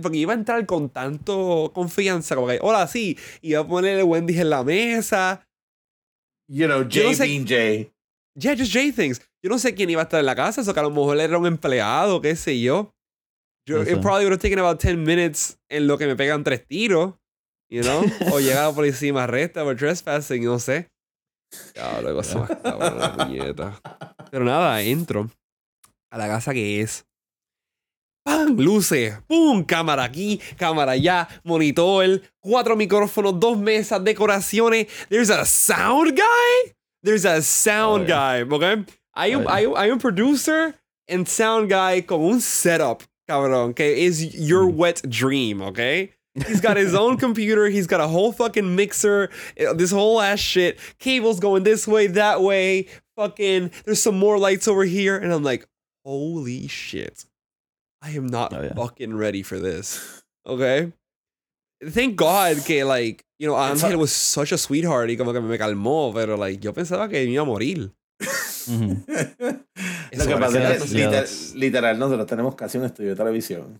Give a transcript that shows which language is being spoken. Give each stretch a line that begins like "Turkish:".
Spanish: Porque iba a entrar con tanto confianza, como que, hola, sí, iba a poner el Wendy's en la mesa.
English: You know, Jay being Jay. Yeah, just Jay things.
Spanish: Yo no sé quién iba a estar en la casa, eso que a lo mejor era un empleado, qué sé yo.
English: It probably would have taken about 10 minutes
Spanish: en lo que me pegan tres tiros,
English: you know?
Spanish: O llega la policía y me arresta por trespassing, no sé. Cabrón, luego se me acaba la puñeta. Pero nada, entro a la casa que es. ¡Pam! Luces. ¡Pum! Cámara aquí, cámara allá, monitor, 4 micrófonos, 2 mesas, decoraciones.
English: ¡There's a sound guy! ¡There's a sound guy! ¿Ok?
Spanish: Hay un producer and sound guy con un setup, cabrón, que es
English: your wet dream,
Spanish: ¿ok?
English: He's got his own computer. He's got a whole fucking mixer. This whole ass shit. Cables going this way, that way. Fucking, there's some more lights over here. And I'm like, holy shit. I am not fucking ready for this. Okay? Thank God
Spanish: que,
English: like, you know, Angel was such a sweetheart.
Spanish: Y como que me calmó.
English: Pero, like,
Spanish: yo pensaba que me iba a morir. Lo que pasa es literal, nosotros tenemos casi un estudio de televisión.